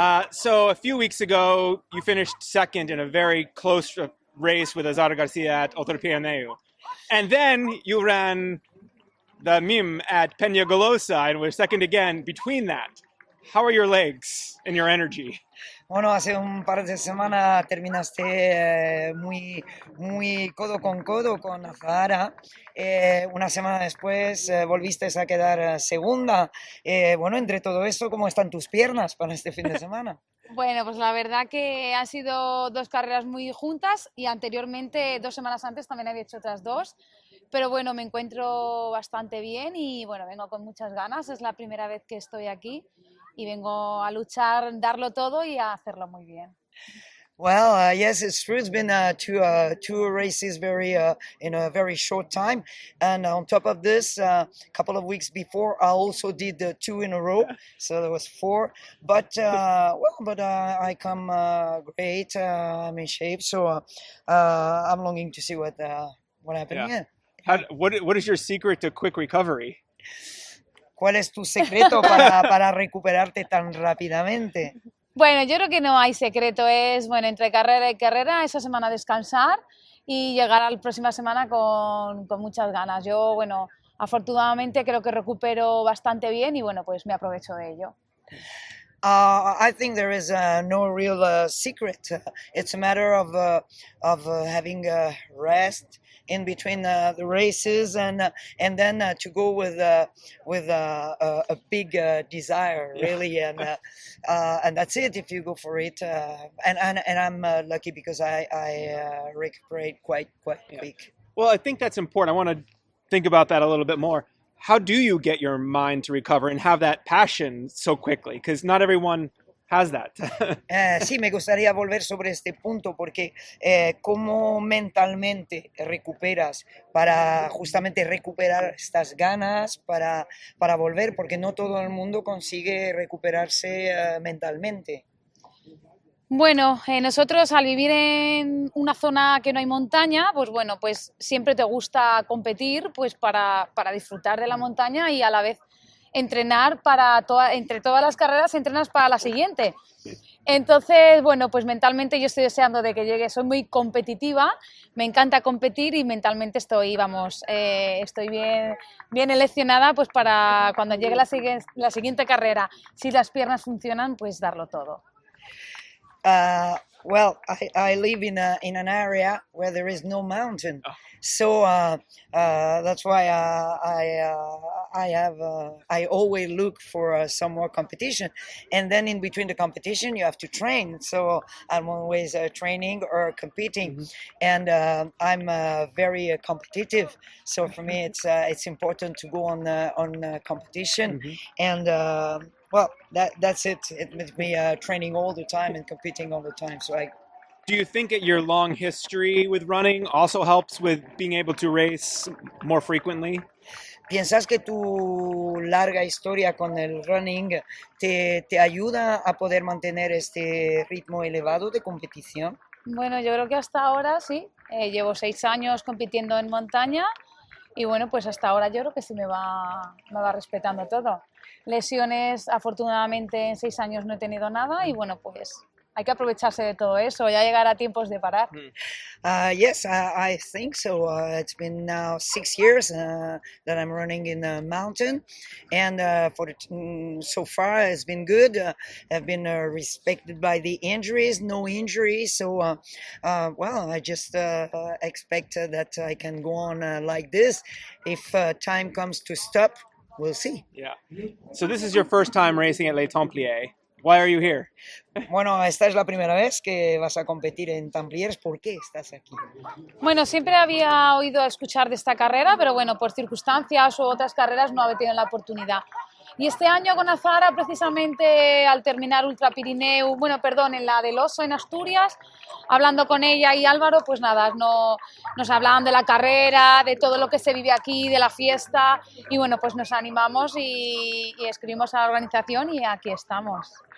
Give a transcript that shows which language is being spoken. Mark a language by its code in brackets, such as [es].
[en] So a few weeks ago, you finished second in a very close race with Azar Garcia at Otro Pirineo. And then you ran the MIM at Peña Golosa and were second again between that. How are your legs and your energy? [es] Bueno, hace un par de semanas terminaste muy codo con codo con Zahara. Una semana después volviste a quedar segunda. Bueno, entre todo eso, ¿cómo están tus piernas para este fin de semana? Bueno, pues la verdad que han sido dos carreras muy juntas y anteriormente, dos semanas antes, también había hecho otras dos. Pero bueno, me encuentro bastante bien y bueno, vengo con muchas ganas. Es la primera vez que estoy aquí. Y vengo a luchar, darlo todo y a hacerlo muy bien. [en] Well, yes, it's true. It's been two races very in a very short time. And on top of this, a couple of weeks before, I also did the two in a row. So there was four. But I come great. I'm in shape, so I'm longing to see what happened. Yeah. What is your secret to quick recovery? [es] ¿Cuál es tu secreto para recuperarte tan rápidamente? Bueno, yo creo que no hay secreto. Es, bueno, entre carrera y carrera, esa semana descansar y llegar a la próxima semana con muchas ganas. Yo, bueno, afortunadamente creo que recupero bastante bien y, bueno, pues me aprovecho de ello. [en] I think there is no real secret. It's a matter of having a rest in between the races and then to go with a big desire, really. Yeah. And that's it if you go for it. And I'm lucky because I recuperate quite quick. Well, I think that's important. I want to think about that a little bit more. How do you get your mind to recover and have that passion so quickly? Because not everyone has that. [es] Sí, me gustaría volver sobre este punto porque cómo mentalmente recuperas para justamente recuperar estas ganas para volver, porque no todo el mundo consigue recuperarse mentalmente. Bueno, nosotros al vivir en una zona que no hay montaña, pues bueno, pues siempre te gusta competir, pues para disfrutar de la montaña y a la vez entrenar para entre todas las carreras entrenas para la siguiente. Entonces, bueno, pues mentalmente yo estoy deseando de que llegue. Soy muy competitiva, me encanta competir y mentalmente estoy bien eleccionada, pues para cuando llegue la siguiente carrera, si las piernas funcionan, pues darlo todo. [en] Well, I live in an area where there is no mountain, so that's why I always look for some more competition, and then in between the competition you have to train. So I'm always training or competing, mm-hmm. And I'm very competitive. So for me, it's important to go on competition, mm-hmm. And. Well, that's it. It makes me training all the time and competing all the time. Do you think that your long history with running also helps with being able to race more frequently? [es] ¿Piensas que tu larga historia con el running te ayuda a poder mantener este ritmo elevado de competición? Bueno, yo creo que hasta ahora sí. Llevo 6 años compitiendo en montaña. Y bueno, pues hasta ahora yo creo que sí me va respetando todo. Lesiones, afortunadamente, en 6 años no he tenido nada y bueno, pues hay que aprovecharse de todo eso, ya llegar a tiempos de parar. [en] Yes, I think so. It's been now 6 years that I'm running in the mountain, and so far it's been good. I've been respected by the injuries, no injuries. So, I just expect that I can go on like this. If time comes to stop, we'll see. Yeah. So this is your first time racing at Les Templiers. Why are you here? [es] Bueno, esta es la primera vez que vas a competir en Templiers. ¿Por qué estás aquí? Bueno, siempre había oído escuchar de esta carrera, pero bueno, por circunstancias u otras carreras no había tenido la oportunidad. Y este año con Azara, precisamente al terminar Ultra Pirineo, bueno, perdón, en la del Oso, en Asturias, hablando con ella y Álvaro, pues nada, no, nos hablaban de la carrera, de todo lo que se vive aquí, de la fiesta, y bueno, pues nos animamos y escribimos a la organización y aquí estamos.